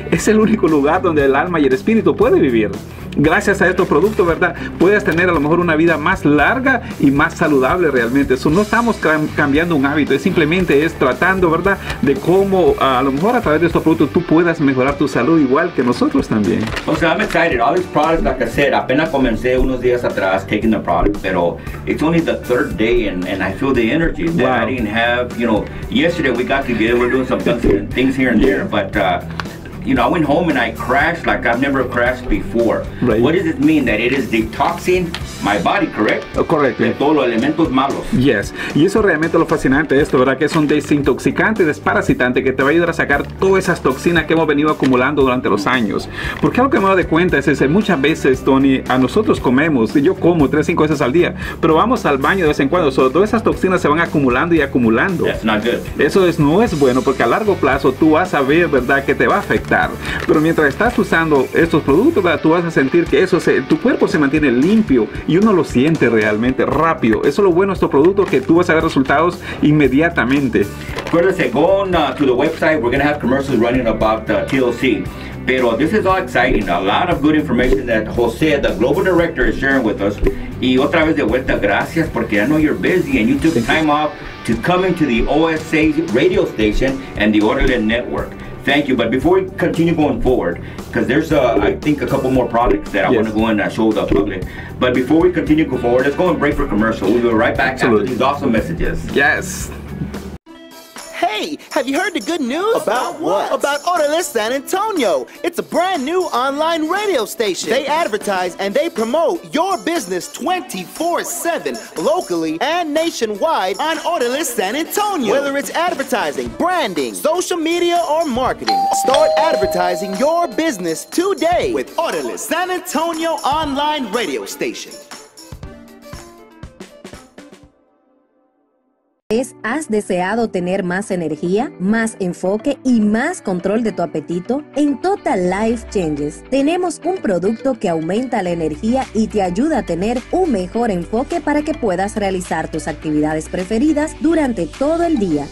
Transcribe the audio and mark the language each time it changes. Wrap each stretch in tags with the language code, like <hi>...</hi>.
<es>Es el único lugar donde el alma y el espíritu puede vivir. Gracias a estos productos, ¿verdad?, puedes tener a lo mejor una vida más larga y más saludable realmente. Eso no estamos cambiando un hábito, es simplemente es tratando, ¿verdad?, de cómo a lo mejor a través de estos productos tú puedas mejorar tu salud igual que nosotros también. O sea,</es> <en>I'm excited. All these products, like I said,</en> <es>apenas comencé unos días atrás</es> <en>taking the product, pero it's only the third day and I feel the energy that I didn't have, you know. Yesterday we got together, we're doing some things here and there, but you know, I went home and I crashed like I've never crashed before. Right. What does it mean that it is detoxing my body, correct? Correct.</en> <es>De todos los elementos malos.</es> <en>Yes.</en> <es>Y eso realmente es lo fascinante de esto, ¿verdad? Que es un desintoxicante, desparasitante, que te va a ayudar a sacar todas esas toxinas que hemos venido acumulando durante los años. Porque algo que me doy cuenta es que muchas veces, Tony, a nosotros comemos, yo como 3-5 veces al día, pero vamos al baño de vez en cuando, so, todas esas toxinas se van acumulando y acumulando.</es> <en>That's not good.</en> <es>Eso es, no es bueno, porque a largo plazo tú vas a ver, ¿verdad?, que te va a afectar. Pero mientras estás usando estos productos, ¿verdad?, tú vas a sentir que tu cuerpo se mantiene limpio y uno lo siente realmente rápido. Eso es lo bueno de estos productos, que tú vas a ver resultados inmediatamente.</es> <en>Acuérdense, go on to the website. We're going to have commercials running about TLC. Pero this is all exciting. A lot of good information that Jose, the global director, is sharing with us.</en> <es>Y otra vez de vuelta, gracias, porque</es> <en>I know you're busy and you took time off to coming to the OSA radio station and the Orale Network. Thank you. But before we continue going forward, because there's, I think, a couple more products that I want to go and show the public. But before we continue going forward, let's go and break for commercial. We'll be right back after these awesome messages. Yes. Hey, have you heard the good news? About what? About Orale San Antonio. It's a brand new online radio station. They advertise and they promote your business 24/7, locally and nationwide on Orale San Antonio. Whether it's advertising, branding, social media, or marketing, start advertising your business today with Orale San Antonio online radio station.</en> <es>¿Has deseado tener más energía, más enfoque y más control de tu apetito? En Total Life Changes tenemos un producto que aumenta la energía y te ayuda a tener un mejor enfoque para que puedas realizar tus actividades preferidas durante todo el día.</es>